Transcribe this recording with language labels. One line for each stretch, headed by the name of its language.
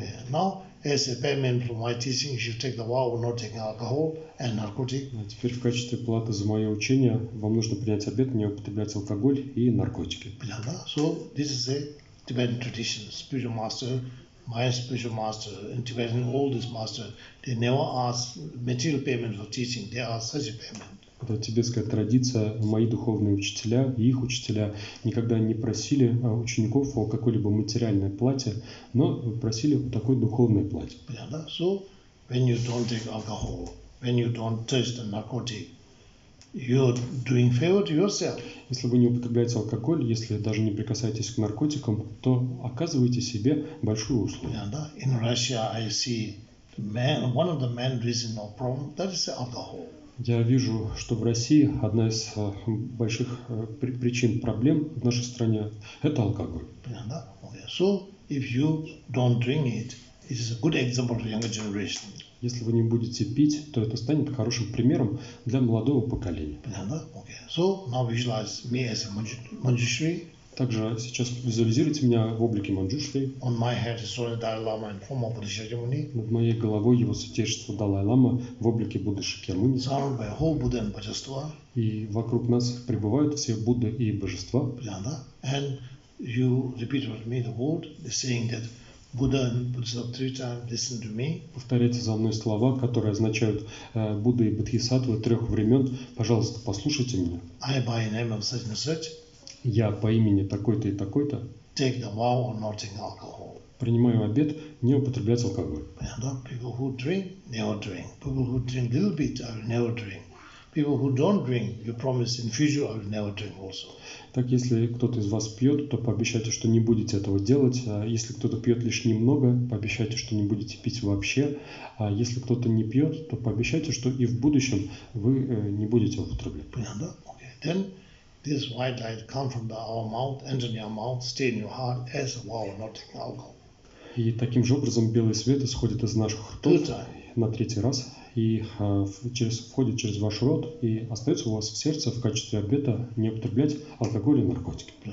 English: Now, as a payment for my teaching, you should take the vow of not taking alcohol and narcotic.
Russian: Теперь в качестве платы за мое учение вам нужно принять обет не употреблять алкоголь и наркотики.
English: So, this is a Tibetan tradition. Spiritual master, my spiritual master, and Tibetan oldest master, they never ask material payment for teaching. They ask such a payment.
Russian: Это тибетская традиция. Мои духовные учителя и их учителя никогда не просили учеников о какой-либо материальной плате, но просили о такой духовной плате. Понятно?
English: So, when you don't take alcohol, when you don't taste narcotic, you're doing favor to yourself.
Russian: Если вы не употребляете алкоголь, если даже не прикасаетесь к наркотикам, то оказываете себе большую услугу. Понятно?
English: In Russia I see main, one of the main reasons of problem, that is alcohol.
Russian: Я вижу, что в России одна из больших причин проблем в нашей стране – это алкоголь.
English: So, if you don't drink it, it is a good example for younger generation.
Russian: Если вы не будете пить, то это станет хорошим примером для молодого поколения.
English: Okay. So, now visualize me as a Manjushri.
Russian: Также сейчас визуализируйте меня в облике Манджушри.
English: On my head is Sonya Dalai Lama in form of Buddha Shakyamuni.
Russian: Над моей головой его святейшество Далай Лама в облике Будды Шакьямуни.
English: Surrounded by whole Buddha and Божества.
Russian: И вокруг нас пребывают все Будды и Божества.
English: Yeah, and you repeat with me the word, the saying that Buddha and Bodhisattva three times listen to me.
Russian: Повторяйте за мной слова, которые означают Будда и Бодхисаттва трех времен. Пожалуйста, послушайте меня.
English: I by name of such and such.
Russian: Я по имени такой-то и такой-то
English: take the vow of not drinking alcohol.
Russian: Принимаю обет не употреблять алкоголь.
English: And people who drink, never drink. People who drink a little bit, I will never drink. People who don't drink, you promise in future, I will never drink also.
Russian: Так, если кто-то из вас пьет, то пообещайте, что не будете этого делать. Если кто-то пьет лишь немного, пообещайте, что не будете пить вообще. А если кто-то не пьет, то пообещайте, что и в будущем вы не будете употреблять. Понятно? Okay.
English: Then this white light comes from our mouth, enter your mouth, stay in your heart as a vow not to drink alcohol.
Russian: И таким же образом белый свет исходит из наших ртов на третий раз. И входит через ваш рот и остается у вас в сердце в качестве обета не употреблять алкоголь и наркотики.